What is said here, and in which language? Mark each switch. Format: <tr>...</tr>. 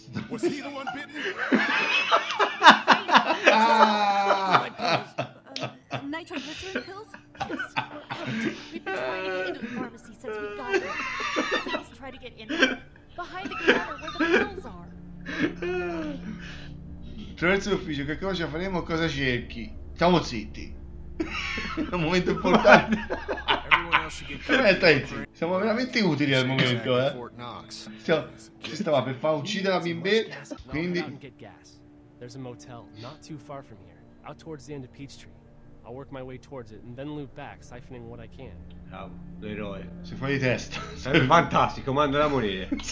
<it>Attraverso l'ufficio, che cosa faremo? Cosa cerchi? Stiamo zitti. È un momento importante. Attenti, siamo veramente utili al momento, eh. Ci stava per far uccidere la bimbetta, quindi...</it> <en>There's a motel not too far from here, out towards the end of Peachtree. I'll work my way towards it and then loop back, siphoning what I can.</en> <it>Bravo, l'eroe. Si fa di testa. È fantastico, manda da morire.</it>